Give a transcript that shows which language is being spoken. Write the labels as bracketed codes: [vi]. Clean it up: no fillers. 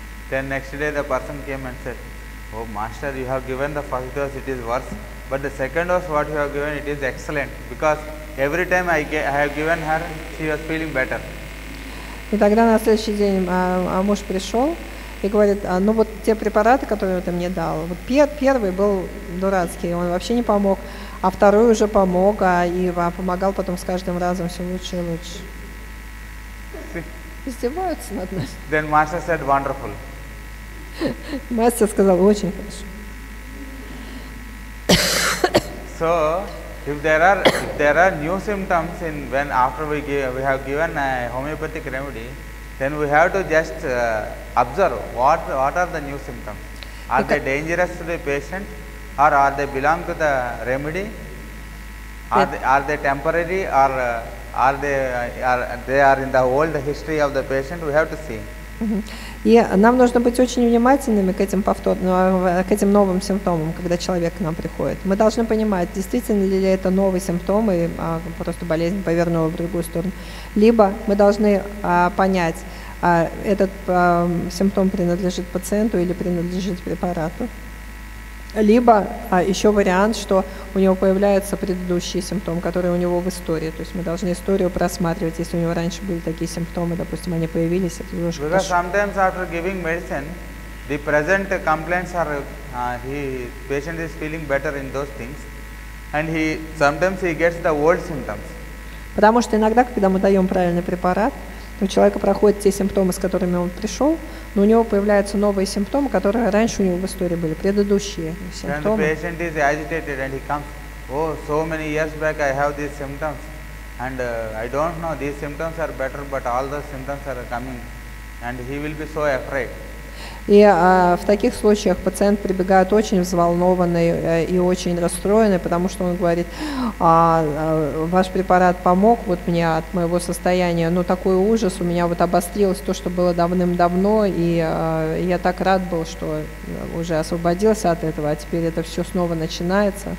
[en] Then next day the person came and said, oh master, you have given the first dose, it is worse, but the second dose what you have given, it is excellent, because every time I have given her, she was feeling better. [ru] И тогда на следующий день муж пришел и говорит, ну вот те препараты, которые ты мне дал, вот первый был дурацкий, он вообще не помог, а второй уже помог, помогал потом с каждым разом все лучше и лучше. Издеваются над нами. [en] Then master said, wonderful. [ru] Мастер сказал, очень хорошо. [en] So, If there are new symptoms in when after we have given a homeopathic remedy, then we have to just observe what are the new symptoms. Are they dangerous to the patient, or are they belong to the remedy? Are they temporary, or are they in the old history of the patient? We have to see. [ru] И нам нужно быть очень внимательными к этим к этим новым симптомам, когда человек к нам приходит. Мы должны понимать, действительно ли это новый симптом, и просто болезнь повернула в другую сторону. Либо мы должны понять, этот симптом принадлежит пациенту или принадлежит препарату. Либо еще вариант, что у него появляется предыдущий симптом, который у него в истории. То есть мы должны историю просматривать, если у него раньше были такие симптомы, допустим, они появились, это уже хорошо. [en] Because sometimes after giving medicine, the present complaints are, patient is feeling better in those things, and sometimes he gets the old symptoms. [ru] Потому что иногда, когда мы даем правильный препарат, у человека проходят те симптомы, с которыми он пришел, но у него появляются новые симптомы, которые раньше у него в истории были, предыдущие симптомы. [en] When the patient is agitated and he comes, oh, so many years back I have these symptoms, and I don't know, these symptoms are better, but all those symptoms are coming, and he will be so afraid. [ru] И в таких случаях пациент прибегает очень взволнованный и очень расстроенный, потому что он говорит, ваш препарат помог вот мне от моего состояния, но такой ужас, у меня вот обострилось то, что было давным-давно, и я так рад был, что уже освободился от этого, а теперь это все снова начинается.